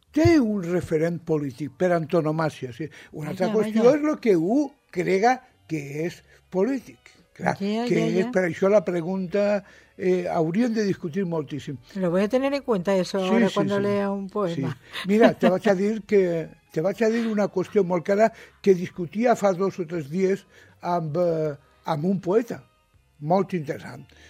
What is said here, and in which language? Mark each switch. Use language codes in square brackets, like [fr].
[ca] Té un referent polític per antonomàcia. Sí. Una altra qüestió és el que un crega que és polític. Clar, que és per això la pregunta hauríem de discutir moltíssim. [es] Lo voy a tener en cuenta eso ahora cuando lea un poema. [ca] Sí. Mira, te vaig a dir una qüestió molt clara que discutia fa 2 o 3 dies amb un poeta molt interessant.